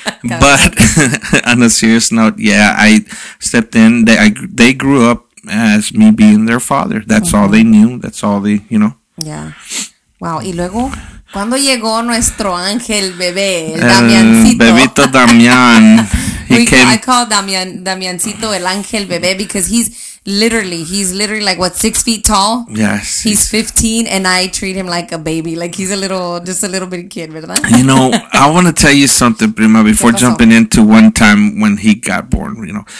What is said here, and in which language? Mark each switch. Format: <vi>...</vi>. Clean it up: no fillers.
<en>But on a serious note, yeah, I stepped in. They grew up as me being their father. That's mm-hmm. all they knew. That's all they, you know. Yeah.</en> <es>Wow, y luego, ¿cuándo llegó nuestro ángel bebé, el Damiancito? Bebito Damián.</es> <en>I call Damiancito</en> <es>el ángel bebé</es> <en>because he's literally like, what, 6 feet tall? Yes. He's 15 and I treat him like a baby, like he's just a little bit kid,</en> <es>¿verdad?</es> <en>You know, I want to tell you something, Prima, before jumping into one time when he got born, you know.</en>